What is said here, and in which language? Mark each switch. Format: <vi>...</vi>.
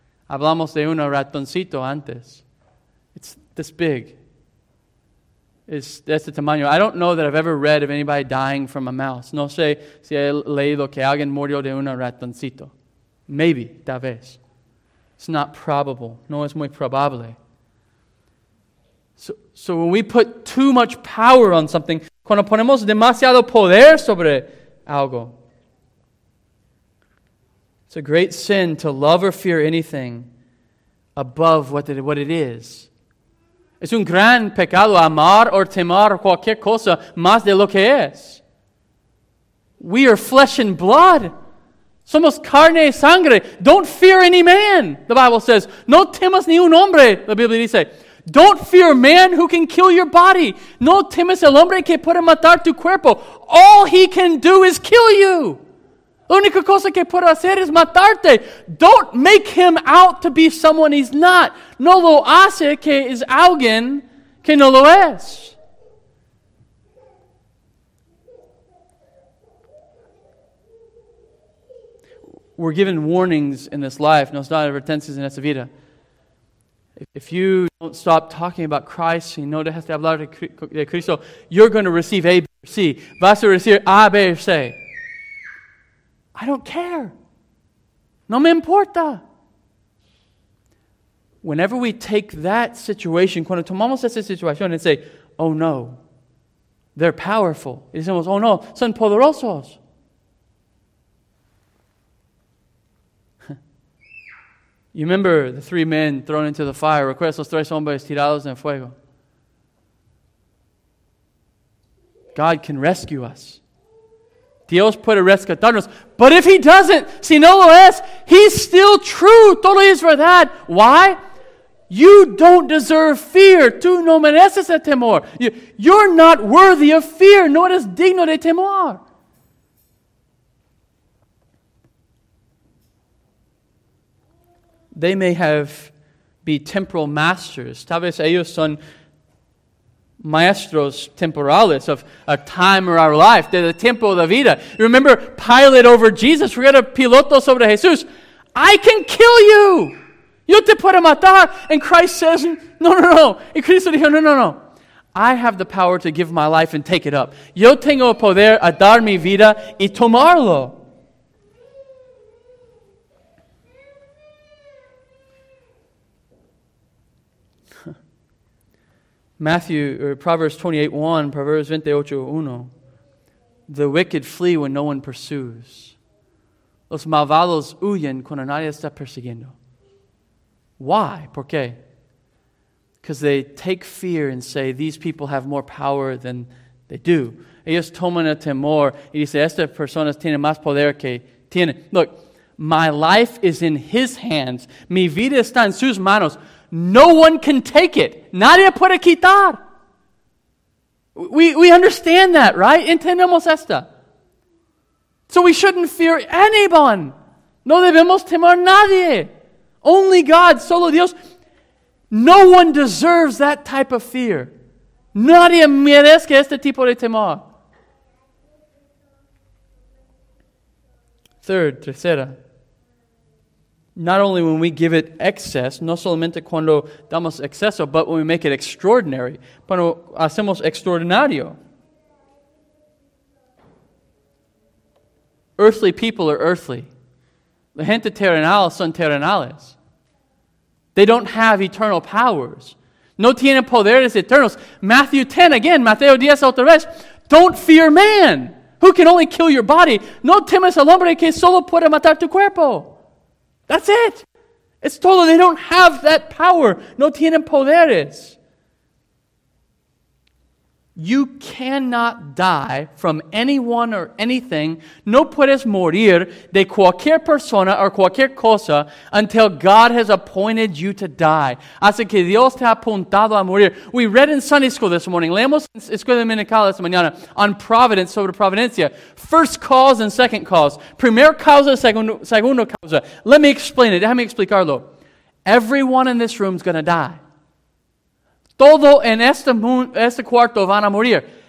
<es>Hablamos de un ratoncito antes.</es> <en>It's this big. It's</en> <es>este tamaño.</es> <en>I don't know that I've ever read of anybody dying from a mouse.</en> <es>No sé si he leído que alguien murió de un ratoncito.</es> <en>Maybe,</en> <es>tal vez.</es> <en>It's not probable.</en> <es>No es muy probable.</es> <en>So when we put too much power on something,</en> <es>cuando ponemos demasiado poder sobre algo,</es> <en>it's a great sin to love or fear anything above what it is.</en> <es>Es un gran pecado amar o temer cualquier cosa más de lo que es.</es> <en>We are flesh and blood.</en> <es>Somos carne y sangre.</es> <en>Don't fear any man, the Bible says.</en> <es>No temas ni un hombre, la Biblia dice.</es> <en>Don't fear man who can kill your body.</en> <es>No temas el hombre que puede matar tu cuerpo.</es> <en>All he can do is kill you.</en> <es>La única cosa que puede hacer es matarte.</es> <en>Don't make him out to be someone he's not.</en> <es>No lo hace que es alguien que no lo es.</es> <en>We're given warnings in this life.</en> <es>Nos da advertencias en esta vida.</es> <en>If you don't stop talking about Christ,</en> <es>y no dejas de hablar de Cristo,</es> <en>you're going to receive A, B, or C.</en> <es>Vas a recibir A, B, or C.</es> <en>I don't care.</en> <es>No me importa.</es> <en>Whenever we take that situation,</en> <es>cuando tomamos esa situación</es> <en>and say, oh no, they're powerful.</en> <es>Y decimos, oh no, son poderosos.</es> <en>You remember the three men thrown into the fire.</en> <es>Recuerdas los tres hombres tirados en fuego.</es> <en>God can rescue us.</en> <es>Dios puede rescatarnos.</es> <en>But if he doesn't,</en> <es>si no lo es,</es> <en>he's still true.</en> <es>Todo es verdad.</es> <en>Why? You don't deserve fear.</en> <es>Tú no mereces el temor.</es> <en>You're not worthy of fear.</en> <es>No eres digno de temor.</es> <en>They may have be temporal masters.</en> <es>Tal vez ellos son maestros temporales</es> <en>of a time or our life,</en> <es>de tiempo de vida.</es> <en>Remember Pilate over Jesus, we got a</en> <es>piloto sobre Jesús.</es> <en>I can kill you.</en> <es>Yo te puedo matar.</es> <en>And Christ says, no, no, no.</en> <es>Y Cristo dijo, no, no, no.</es> <en>I have the power to give my life and take it up.</en> <es>Yo tengo poder a dar mi vida y tomarlo.</es> <en>Matthew, or Proverbs 28:1, the wicked flee when no one pursues.</en> <es>Los malvados huyen cuando nadie está persiguiendo.</es> <en>Why?</en> <es>¿Por qué?</es> <en>Because they take fear and say, these people have more power than they do.</en> <es>Ellos toman el temor y dicen, estas personas tienen más poder que tienen.</es> <en>Look, my life is in his hands.</en> <es>Mi vida está en sus manos.</es> <en>No one can take it.</en> <es>Nadie puede quitar.</es> <en>We understand that, right?</en> <es>Entendemos esta.</es> <en>So we shouldn't fear anyone.</en> <es>No debemos temer a nadie.</es> <en>Only God,</en> <es>solo Dios.</es> <en>No one deserves that type of fear.</en> <es>Nadie merece este tipo de temor.</es> <en>Third, tercera. Not only when we give it excess,</en> <es>no solamente cuando damos exceso,</es> <en>but when we make it extraordinary.</en> <es>Cuando hacemos extraordinario.</es> <en>Earthly people are earthly.</en> <es>La gente terrenal son terrenales.</es> <en>They don't have eternal powers.</en> <es>No tienen poderes eternos.</es> <en>Matthew 10 again,</en> <es>Mateo 10 otra vez.</es> <en>Don't fear man who can only kill your body.</en> <es>No temas al hombre que solo puede matar tu cuerpo.</es> <en>That's it. It's todo. They don't have that power.</en> <es>No tienen poderes.</es> <en>You cannot die from anyone or anything.</en> <es>No puedes morir de cualquier persona or cualquier cosa</es> <en>until God has appointed you to die.</en> <es>Hasta que Dios te ha apuntado a morir.</es> <en>We read in Sunday school this morning.</en> <es>Leemos en Escuela Dominical esta mañana</es> <en>on providence,</en> <es>sobre providencia.</es> <en>First cause and second cause.</en> <es>Primer causa, segundo causa.</es> <en>Let me explain it.</en> <es>Déjame explicarlo.</es> <en>Everyone in this room is going to die.</en> <es>Todo en este cuarto van a morir.</es>